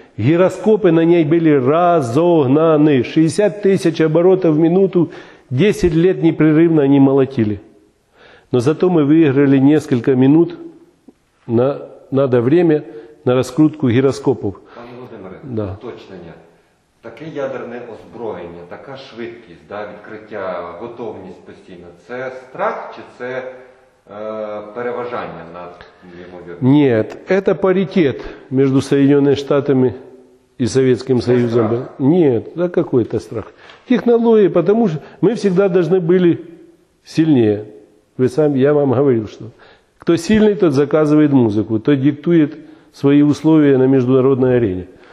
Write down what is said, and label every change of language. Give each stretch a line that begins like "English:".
Russian: Гироскопы на ней были разогнаны. 60 тысяч оборотов в минуту, 10 лет непрерывно они молотили. Но зато мы выиграли несколько минут, надо время на раскрутку гироскопов.
Ukrainian: Пан Володимир, да. Уточнення. Таке ядерне озброєння, така швидкість, да, відкриття, готовність постійно. Це страх чи це... переважання над
Russian: Нет, это паритет между Соединенными Штатами и Советским это Союзом. Страх. Нет, да какой это страх. Технологии, потому что мы всегда должны были сильнее. Я вам говорил, что кто сильный, тот заказывает музыку, тот диктует свои условия на международной арене.